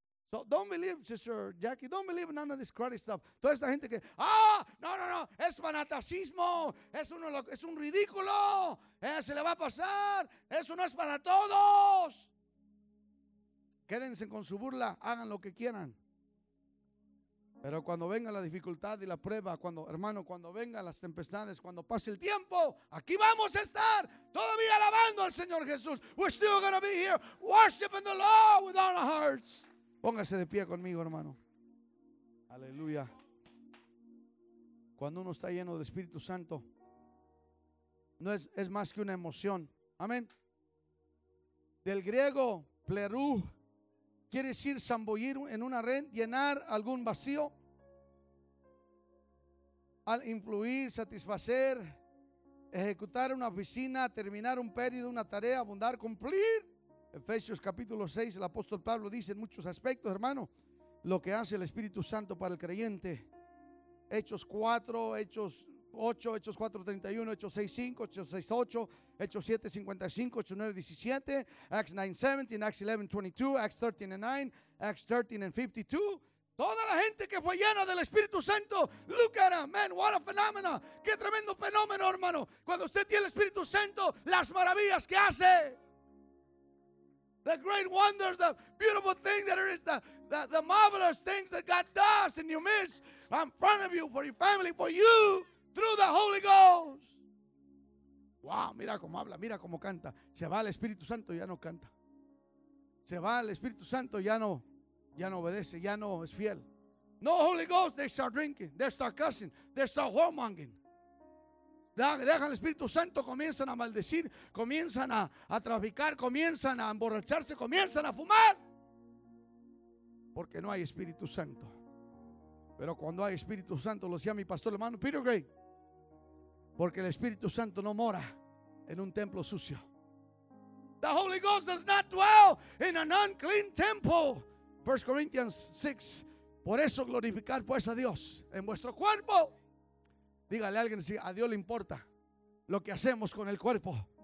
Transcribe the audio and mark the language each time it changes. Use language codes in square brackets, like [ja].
[en] So don't believe, Sister Jackie, don't believe none of this cruddy stuff. [es] Toda esta gente que, no, es fanatacismo, es un ridículo, se le va a pasar, eso no es para todos. Quédense con su burla, hagan lo que quieran. Pero cuando venga la dificultad y la prueba, cuando vengan las tempestades, cuando pase el tiempo, aquí vamos a estar todavía alabando al Señor Jesús. [en] We're still going to be here worshiping the Lord with all our hearts. [es] Póngase de pie conmigo, hermano. Aleluya. Cuando uno está lleno del Espíritu Santo, no es más que una emoción. Amén. Del griego, plerú, quiere decir zambullir en una red, llenar algún vacío, al influir, satisfacer, ejecutar una oficina, terminar un periodo, una tarea, abundar, cumplir. Efesios capítulo 6, el apóstol Pablo dice en muchos aspectos, hermano, lo que hace el Espíritu Santo para el creyente. Hechos 4, Hechos 8, Hechos 4, 31, Hechos 6, 5, Hechos 6, 8, Hechos 7, 55, Hechos 9, 17, [en] Acts 9, 17, Acts 11, 22, Acts 13, 9, Acts 13, and 52. [es] Toda la gente que fue llena del Espíritu Santo, [en] look at them, man, what a phenomena. [es] Qué tremendo fenómeno, hermano. Cuando usted tiene el Espíritu Santo, las maravillas que hace. [en] The great wonders, the beautiful things that are the marvelous things that God does in your midst, in front of you, for your family, for you, through the Holy Ghost. [es] Wow, mira cómo habla, mira cómo canta. Se va el Espíritu Santo, ya no canta. Se va el Espíritu Santo, ya no obedece, ya no es fiel. [en] No Holy Ghost, they start drinking, they start cussing, they start whoremongering. [es] Dejan el Espíritu Santo, comienzan a maldecir, comienzan a traficar, comienzan a emborracharse, comienzan a fumar. Porque no hay Espíritu Santo. Pero cuando hay Espíritu Santo, lo decía mi pastor, hermano Peter Gray, porque el Espíritu Santo no mora en un templo sucio. [en] The Holy Ghost does not dwell in an unclean temple. 1 Corinthians 6. [es] Por eso glorificar pues a Dios en vuestro cuerpo. Dígale a alguien, si a Dios le importa lo que hacemos con el cuerpo.